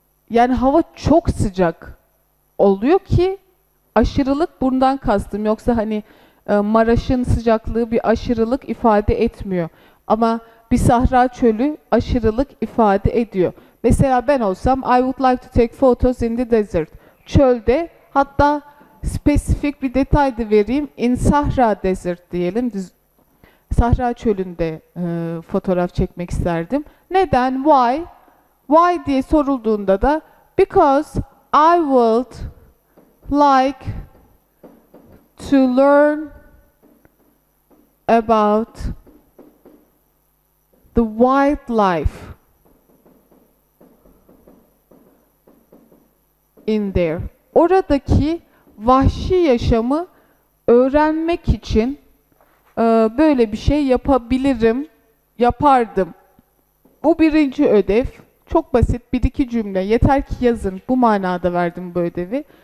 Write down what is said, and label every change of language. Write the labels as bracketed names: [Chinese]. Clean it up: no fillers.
[Turkish] Yani hava çok sıcak oluyor ki aşırılık bundan kastım. Yoksa hani Maraş'ın sıcaklığı bir aşırılık ifade etmiyor. Ama bir sahra çölü aşırılık ifade ediyor. Mesela ben olsam [English] I would like to take photos in the desert. [Turkish] Çölde, hatta spesifik bir detay da vereyim. In Sahra Desert diyelim. Sahra çölünde fotoğraf çekmek isterdim. Neden? Why? [English] Why [Turkish] diye sorulduğunda da [English] because I would like to learn about the wildlife in there. [Turkish] Oradaki vahşi yaşamı öğrenmek için böyle bir şey yapabilirim, yapardım. Bu birinci ödev. Çok basit, bir iki cümle. Yeter ki yazın. Bu manada verdim bu ödevi.